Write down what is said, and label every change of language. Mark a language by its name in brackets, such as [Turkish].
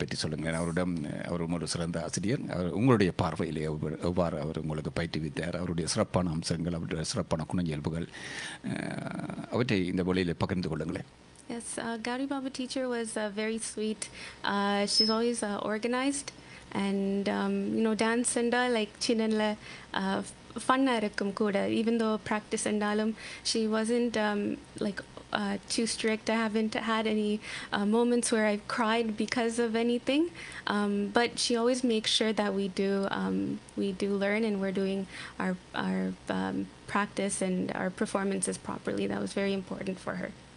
[Tamil] உங்களுடைய பார்வையிலே எவ்வாறு அவர் உங்களுக்கு பயிற்றுவித்தார், அவருடைய சிறப்பான அம்சங்கள், அவருடைய சிறப்பான குணங்கியல்புகள், அவற்றை இந்த வழியில் பகிர்ந்து கொள்ளுங்களேன். [English] Yes, Gauri Babu teacher was very sweet. She's always organized and you know, dance and like [Tamil] chinanla ஃபன்னாக இருக்கும் கூட, ஈவன் தோ ப்ராக்டிஸ் இருந்தாலும். [English] She wasn't like too strict. I haven't had any moments where I cried because of anything. But she always make sure that we do learn and were doing our practice and our performances properly. That was very important for her.